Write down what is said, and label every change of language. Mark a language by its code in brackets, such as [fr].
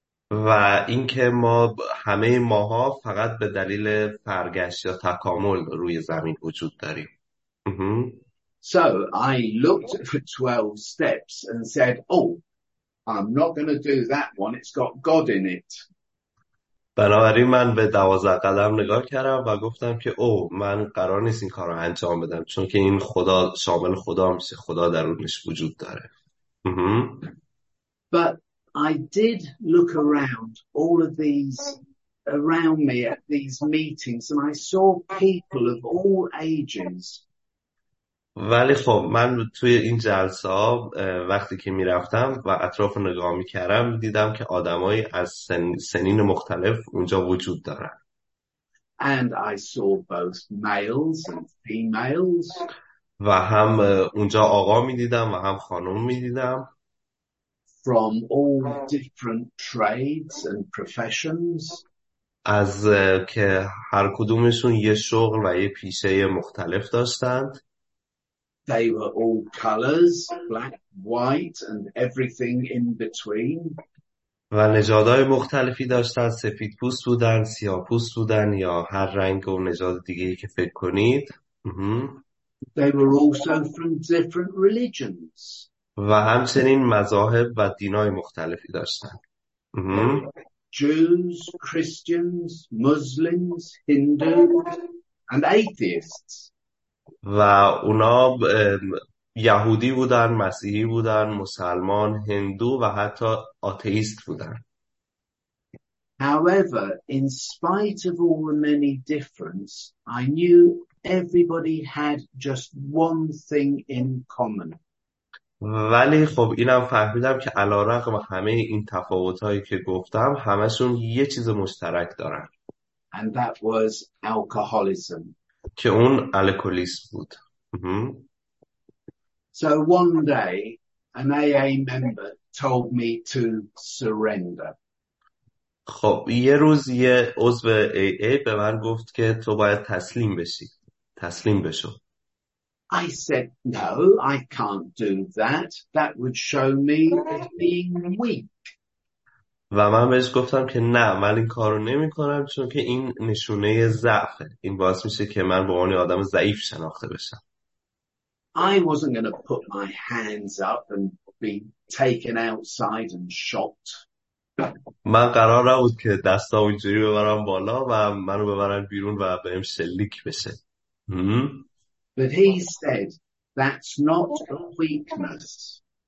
[fa] و اینکه ما همه ماها فقط به دلیل فرگشت یا تکامل روی زمین وجود داریم. [en] So I looked for 12 steps and said, oh, I'm not going to do that one. It's got God in it. [fa] بنابراین من به 12 قدم نگاه کردم و گفتم که من قرار نیست این کار رو انجام بدم چون که این خدا شامل خدا میشه. خدا درونش وجود داره. [en] But I did look around all of these around me at these meetings and I saw people of all ages. [fa] ولی خب من توی این جلسه ها وقتی که می رفتم و اطراف نگاه می کردم دیدم که آدمای از سنین مختلف اونجا وجود دارن. [en] And I saw both males and females. [fa] و هم اونجا آقا می دیدم و هم خانم می دیدم. [en] From all different trades and professions. [fa] از که هر کدومشون یه شغل و یه پیشه مختلف داشتند. [en] They were all colors, black, white, and everything in between. [fa] و نژادهای مختلفی داشتن، سفید پوست بودن، سیاه پوست بودن یا هر رنگ و نژاد دیگه ای که فکر کنید. [en] They were also from different religions. [fa] و همچنین مذاهب و دینای مختلفی داشتن. [en] Jews, Christians, Muslims, Hindus, and atheists. [fa] و اونا یهودی بودن، مسیحی بودن، مسلمان، هندو و حتی آتئیست بودن. [en] However, in spite of all the many difference, I knew everybody had just one thing in common. [fa] ولی خب اینم فهمیدم که علی‌رغم همه این تفاوت‌هایی که گفتم همشون یه چیز مشترک دارن [en] And that was alcoholism. [fa] که اون الکلیسم بود. [en] So one day, an AA member told me to surrender. [fa] خب یه روز یه عضو AA به من گفت که تو باید تسلیم بشی، تسلیم بشو. [en] I said, no, I can't do that. That would show me as being weak. [fa] و من بهش گفتم که نه، من این کارو نمی کنم چون که این نشونه ضعفه، این باعث میشه که من به عنوان آدم ضعیف شناخته بشم. [en] I wasn't going to put my hands up and be taken outside and shot. [fa] من قرار نبود که دستام اینجوری ببرم بالا و منو ببرن بیرون و بهم شلیک بشه. [en] But he said, that's not a weakness.